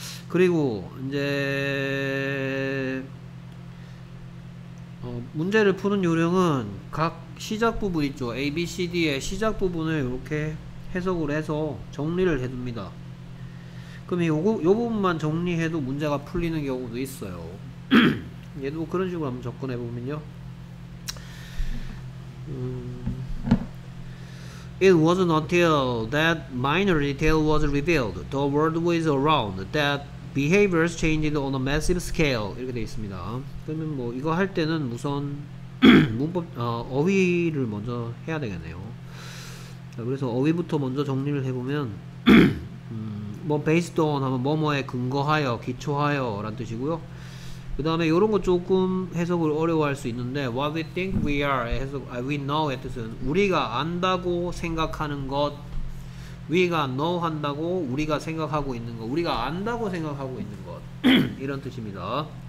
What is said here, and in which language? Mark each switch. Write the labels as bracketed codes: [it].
[ko] 그리고 이제 문제를 푸는 요령은 각 시작 부분 있죠. A, B, C, D의 시작 부분을 이렇게 해석을 해서 정리를 해둡니다. 그럼 요 부분만 정리해도 문제가 풀리는 경우도 있어요. 얘도 그런 식으로 한번 접근해 보면요. [en] It wasn't until that minor detail was revealed, the world was around, that behaviors changed on a massive scale. [ko] 이렇게 되어 있습니다. 그러면 뭐, 이거 할 때는 우선, 문법, 어휘를 먼저 해야 되겠네요. 자, 그래서 어휘부터 먼저 정리를 해보면, 뭐, based on 하면 뭐뭐에 근거하여, 기초하여란 뜻이고요. 그 다음에 이런 거 조금 해석을 어려워할 수 있는데 what we think we are 해석, we know의 뜻은 우리가 안다고 생각하는 것 we가 know 한다고 우리가 생각하고 있는 것 우리가 안다고 생각하고 있는 것 이런 뜻입니다.